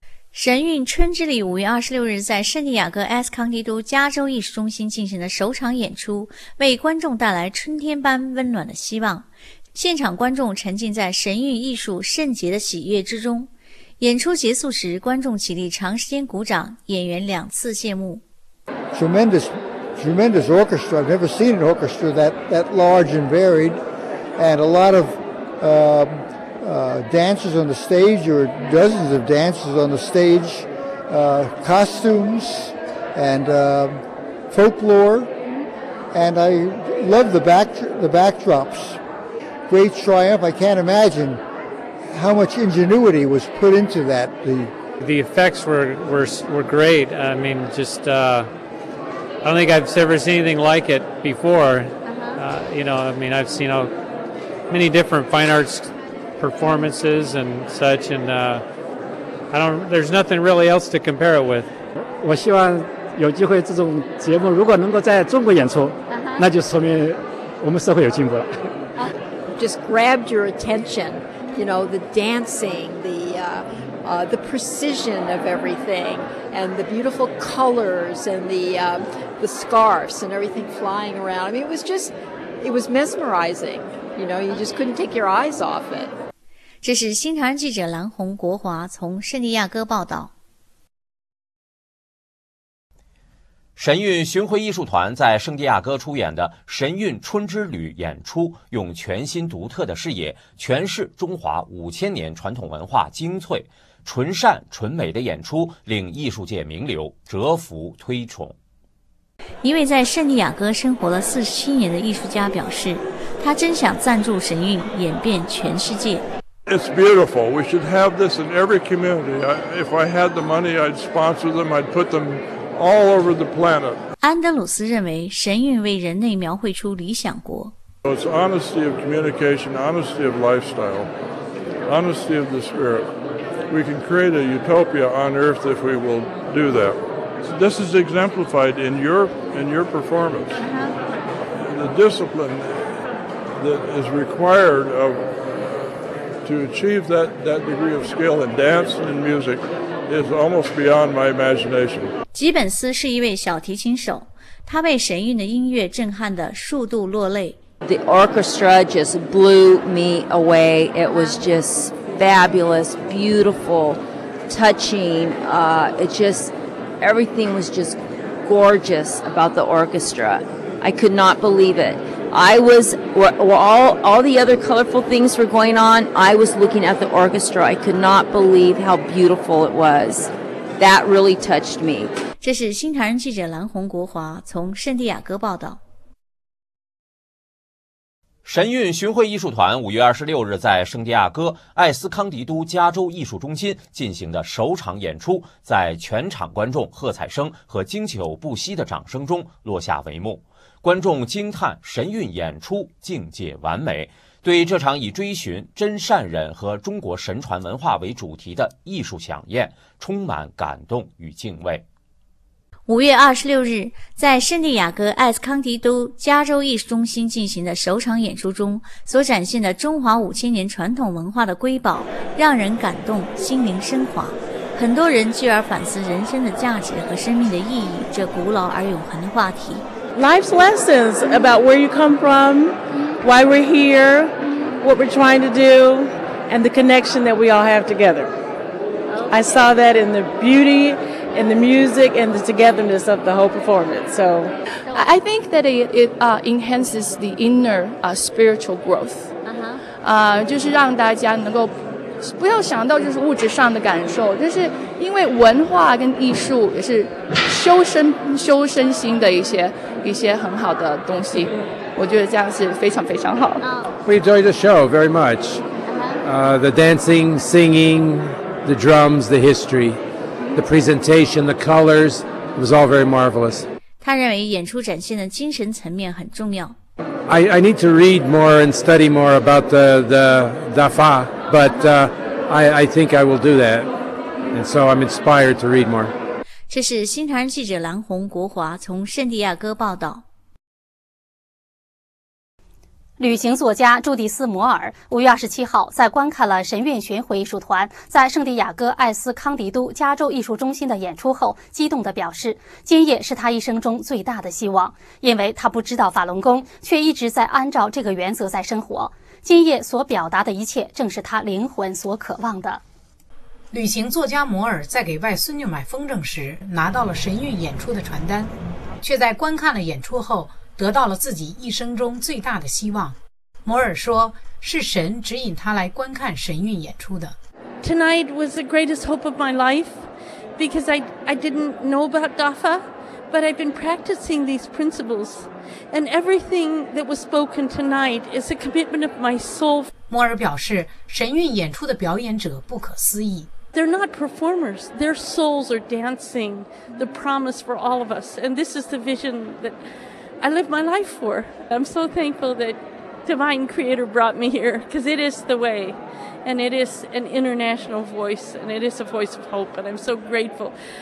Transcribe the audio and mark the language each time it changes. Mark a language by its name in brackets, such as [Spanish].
[Chinese] 神韵春之旅5月26日在圣地亚哥埃斯康迪都加州艺术中心进行的首场演出，为观众带来春天般温暖的希望。现场观众沉浸在神韵艺术圣洁的喜悦之中。演出结束时，观众起立长时间鼓掌，演员两次谢幕。 [English] Tremendous, tremendous orchestra. I've never seen an orchestra that large and varied. And a lot of... dancers on the stage, or dozens of dancers on the stage, costumes and folklore, and I love the backdrops. Great triumph. I can't imagine how much ingenuity was put into that. The effects were great. I mean, just I don't think I've ever seen anything like it before. You know, I mean, I've seen many different fine arts. Performances and such, and I don't. There's nothing really else to compare it with. [Chinese] 我希望有机会这种节目如果能够在中国演出，那就说明我们社会有进步了。 [English] Just grabbed your attention, you know, the dancing, the precision of everything, and the beautiful colors and the scarves and everything flying around. I mean, it was mesmerizing. You know, you just couldn't take your eyes off it. [Chinese] 这是新唐人记者蓝红国华从圣地亚哥报道。神韵巡回艺术团在圣地亚哥出演的《神韵春之旅》演出，用全新独特的视野诠释中华五千年传统文化精粹，纯善纯美的演出令艺术界名流折服推崇。一位在圣地亚哥生活了47年的艺术家表示，他真想赞助神韵演遍全世界。 [English] It's beautiful. We should have this in every community. If I had the money, I'd sponsor them. I'd put them all over the planet. [Chinese] 安德鲁斯认为神韵为人类描绘出理想国。 [English] So、it's honesty of communication, honesty of lifestyle, honesty of the spirit. We can create a utopia on earth if we will do that. This is exemplified in your performance. The discipline that is required of, to achieve that degree of skill in dance and in music is almost beyond my imagination. [Chinese] 吉本斯是一位小提琴手，他被神韵的音乐震撼得数度落泪。 [English] The orchestra just blew me away. It was just fabulous, beautiful, touching. It just, everything was just gorgeous about the orchestra. I could not believe it. I was, all the other colorful things were going on, I was looking at the orchestra. I could not believe how beautiful it was. That really touched me. [Chinese] 这是新唐人记者蓝红国华从圣地亚哥报道。神韵巡回艺术团5月26日在圣地亚哥艾斯康迪都加州艺术中心进行的首场演出，在全场观众喝彩声和经久不息的掌声中落下帷幕。观众惊叹神韵演出境界完美，对这场以追寻真善忍和中国神传文化为主题的艺术响宴充满感动与敬畏。 5月26日在圣地亚哥艾斯康迪都加州艺术中心进行的首场演出中所展现的中华五千年传统文化的瑰宝，让人感动，心灵升华，很多人继而反思人生的价值和生命的意义，这古老而永恒的话题。 [English] Life's lessons about where you come from, why we're here, what we're trying to do, and the connection that we all have together. I saw that in the beautyand the music and the togetherness of the whole performance. So I think that it enhances the inner spiritual growth. [Chinese] 就是让大家能够不要想到就是物质上的感受，就是因为文化跟艺术也是修身心的一些很好的东西，我觉得这样是非常非常好。 [English] We enjoy the show very much. The dancing, singing, the drums, the historyThe presentation, the colors, it was all very marvelous. [Chinese] 他认为演出展现的精神层面很重要。 [English] I need to read more and study more about the Dafa, but I think I will do that. And so I'm inspired to read more. [Chinese] 这是新唐人记者蓝红国华从圣地亚哥报道。旅行作家朱迪斯·摩尔5月27号在观看了神韵巡回艺术团在圣地亚哥艾斯康迪都加州艺术中心的演出后激动地表示，今夜是他一生中最大的希望，因为他不知道法轮功，却一直在按照这个原则在生活，今夜所表达的一切正是他灵魂所渴望的。旅行作家摩尔在给外孙女买风筝时拿到了神韵演出的传单，却在观看了演出后得到了自己一生中最大的希望。摩尔说，是神指引他来观看神韵演出的。 [English] Tonight was the greatest hope of my life because I didn't know about Dafa, but I've been practicing these principles, and everything that was spoken tonight is a commitment of my soul. [Chinese] 摩尔表示，神韵演出的表演者不可思议。 [English] They're not performers. Their souls are dancing the promise for all of us, and this is the vision that. I live my life for. I'm so thankful that Divine Creator brought me here because it is the way, and it is an international voice, and it is a voice of hope, and I'm so grateful.